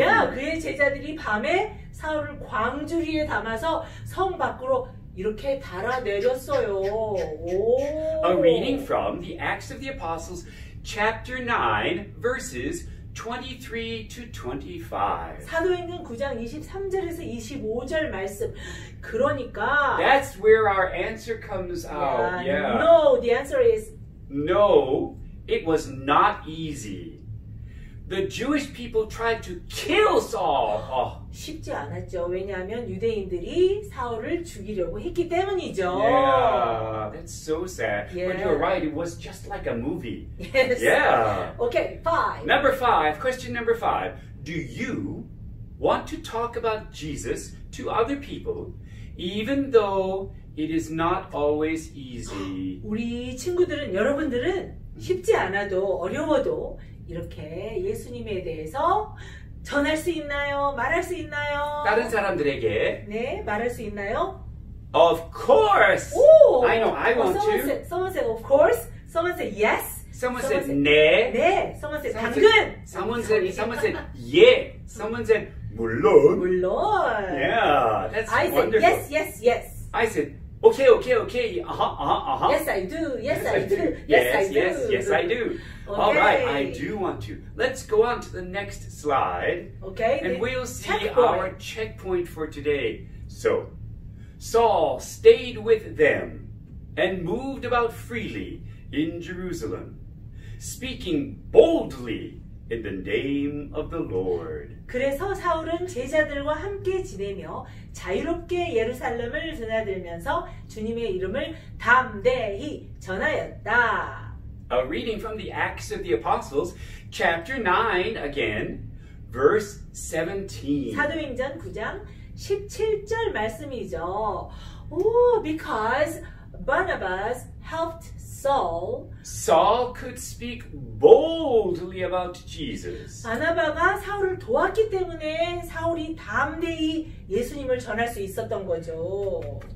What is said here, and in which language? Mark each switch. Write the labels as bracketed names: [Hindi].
[Korean] Yeah, 그의 제자들이 밤에 사울을 광주리에 담아서 성 밖으로 이렇게 달아내렸어요. [English] A reading from the Acts of the Apostles, chapter 9, verses 23 to 25. [Korean] 사도행전 9장 23절에서 25절 말씀. 그러니까 [English] that's where our answer comes out. No, the answer is no, it was not easy The Jewish people tried to kill Saul. [Korean] 쉽지 않았죠. 왜냐하면 유대인들이 사울을 죽이려고 했기 때문이죠. [English] Yeah, that's so sad. Yeah. But you're right. It was just like a movie. Yes. Yeah. Okay, five. Number five. Question number five. Do you want to talk about Jesus to other people, even though it is not always easy? [Korean] 우리 친구들은 여러분들은 쉽지 않아도 어려워도 이렇게 예수님에 대해서 전할 수 있나요? 말할 수 있나요? 다른 사람들에게 네, 말할 수 있나요? [English] Of course. 오, I know I want someone to. Someone said of course. Someone said yes. Someone said 네. 네. Someone said 당근. Someone said 예. Someone said 물론. Yeah. I said yes. I said okay. Uh-huh. Yes, I do. Okay. All right, I do want to. Let's go on to the next slide. Okay. And we'll see our checkpoint for today. So, Saul stayed with them and moved about freely in Jerusalem, speaking boldly in the name of the Lord. [Korean] 그래서 사울은 제자들과 함께 지내며 자유롭게 예루살렘을 드나들면서 주님의 이름을 담대히 전하였다. [English] A reading from the Acts of the Apostles, chapter 9, again, verse 17. [Korean] 사도행전 9장 17절 말씀이죠. [English] Because Barnabas helped Saul. Saul could speak boldly about Jesus. [Korean] 바나바가 사울을 도왔기 때문에 사울이 담대히 예수님을 전할 수 있었던 거죠.